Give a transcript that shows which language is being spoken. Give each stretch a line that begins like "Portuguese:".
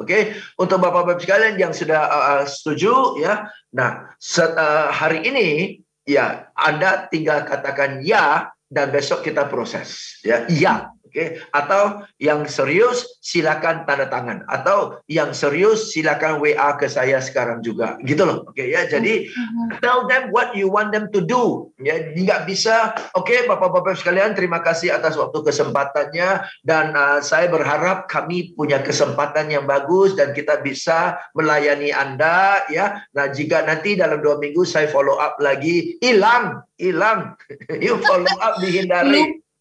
Indonesian: Oke, untuk bapak-bapak sekalian yang sudah setuju ya. Nah, hari ini ya Anda tinggal katakan ya, dan besok kita proses ya. Ya, oke. Okay. Atau yang serius silakan tanda tangan, atau yang serius silakan WA ke saya sekarang juga, gitu loh.
English: Okay,
Indonesian: ya, jadi
English: tell them what you want them to do.
Indonesian: Ya, nggak bisa. Okay, bapak-bapak sekalian, terima kasih atas waktu kesempatannya, dan saya berharap kami punya kesempatan yang bagus dan kita bisa melayani Anda. Ya, nah jika nanti dalam 2 minggu saya follow up lagi, hilang, you follow up dihindari.